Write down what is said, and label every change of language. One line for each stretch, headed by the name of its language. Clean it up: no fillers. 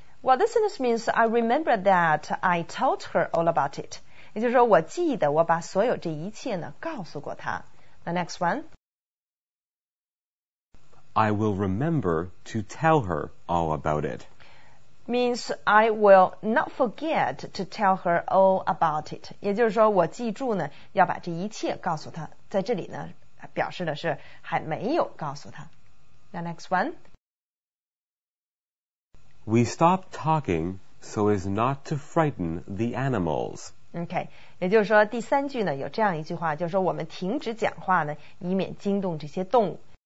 English: Well this sentence means I remember that I told her all about it
Chinese: 也就是说我记得我把所有这一切呢告诉过她
English: The next one I will remember to tell her all about it. Means I will not forget to tell her all about it.
Chinese: 也就是说我记住呢要把这一切告诉她。在这里呢表示的是还没有告诉她。
English: The next one. We stopped talking so as not to frighten the animals. Okay.
Chinese: 也就是说第三句呢有这样一句话就是说我们停止讲话呢以免惊动这些动物。